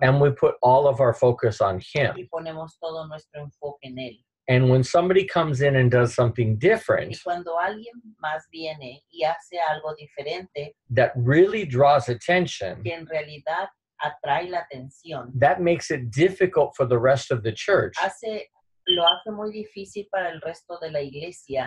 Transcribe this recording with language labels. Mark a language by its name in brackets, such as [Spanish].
[English] and we put all of our focus on Him. [Spanish] Y ponemos todo nuestro enfoque en Él. [English] And when somebody comes in and does something different, [Spanish] y cuando alguien más viene y hace algo diferente, [English] that really draws attention, [Spanish] que en realidad atrae la atención, [English] that makes it difficult for the rest of the church. [Spanish] Lo hace muy difícil para el resto de la iglesia.